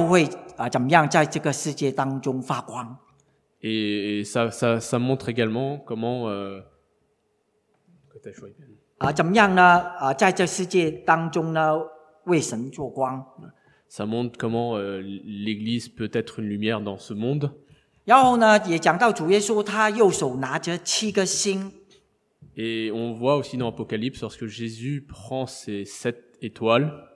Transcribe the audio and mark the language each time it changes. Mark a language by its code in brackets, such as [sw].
[zh] 也表示呢，神怎么样看着这会幕呢？神也看着教会怎么样在这个世界当中发光。 [fr] Et ça montre également comment [zh] 怎么样呢？在这世界当中呢，为神做光。 [fr] Ça montre comment l'église peut être une lumière dans ce monde. [zh] 然后呢，也讲到主耶稣他右手拿着七个星。 [fr] Et on voit aussi dans Apocalypse lorsque Jésus prend ses sept étoiles.